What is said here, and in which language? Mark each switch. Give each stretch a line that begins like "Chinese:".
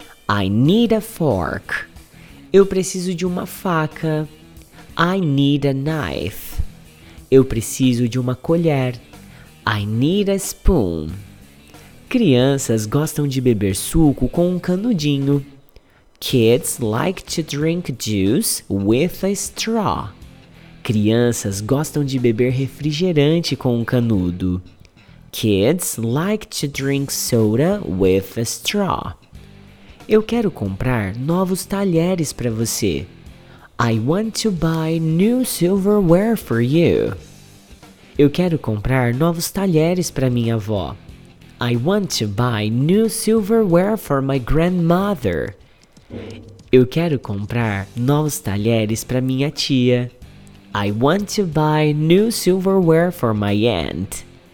English: I need a fork.
Portuguese: Eu preciso de uma faca.
English: I need a knife.
Portuguese: Eu preciso de uma colher.
English: I need a spoon.
Portuguese: Crianças gostam de beber suco com um canudinho.
English: Kids like to drink juice with a straw.
Portuguese: Crianças gostam de beber refrigerante com um canudo.
English: Kids like to drink soda with a straw.
Portuguese: Eu quero comprar novos talheres para você.
English: I want to buy new silverware for you.
Portuguese: Eu quero comprar novos talheres para minha avó.
English: I want to buy new silverware for my grandmother.
Portuguese: Eu quero comprar novos talheres para minha tia.
English: I want to buy new silverware for my aunt.